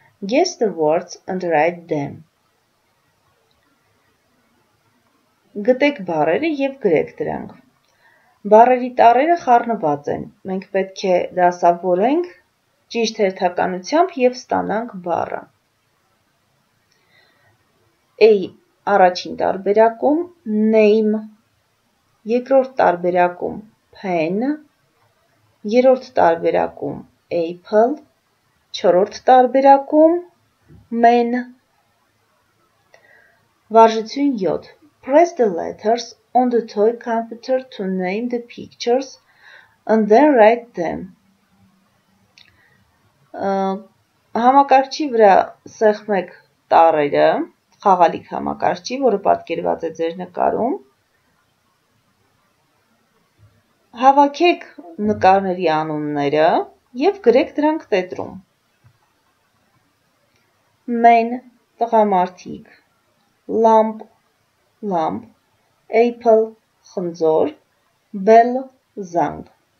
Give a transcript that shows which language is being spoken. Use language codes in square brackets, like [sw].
[en] Guess the words and write them. [hy] Գտեք բառերը եւ գրեք դրանք։ Բառերի տառերը խառնված են։ Մենք պետք է դասավորենք ճիշտ հերթականությամբ եւ ստանանք բառը։ A առաջին տարբերակում name, երկրորդ տարբերակում pen, երրորդ տարբերակում apple, չորրորդ տարբերակում men։ Վարժություն 7. [en] Press the letters on the toy computer to name the pictures and then write them. [hy] Համակարգչի վրա սեղմեք տառերը, խաղալիք համակարգչի, որը պատկերված է ձեր նկարում. Հավաքեք նկարների անունները և գրեք դրանք տետրում. Main – տղամարդիկ. [en] Lamp – Lamp, apple, խնձոր, bell, զանգ.